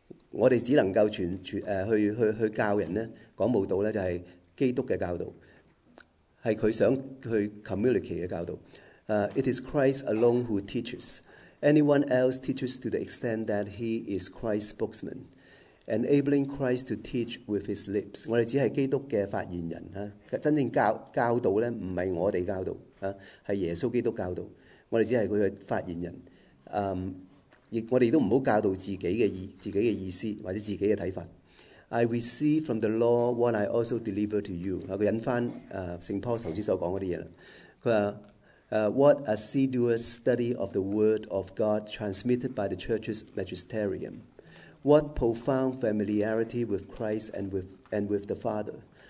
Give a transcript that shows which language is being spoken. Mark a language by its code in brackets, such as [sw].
[yue] 我哋只能夠去教人咧講慕道咧，就係基督嘅教導，係佢想去 communicate 嘅教導。 [en] It is Christ alone who teaches. Anyone else teaches to the extent that he is Christ's spokesman, enabling Christ to teach with his lips. [yue] 我哋只係基督嘅發言人啊，真正教導咧，唔係我哋教導啊，係耶穌基督教導。我哋只係佢嘅發言人。我哋都唔好教導自己嘅意思或者自己嘅睇法。 [en] I receive from the law what I also deliver to you. [yue] 佢引翻聖Paul頭先所講嗰啲嘢啦。佢話。 [en] What assiduous study of the Word of God transmitted by the Church's magisterium. What profound familiarity with Christ and with the Father.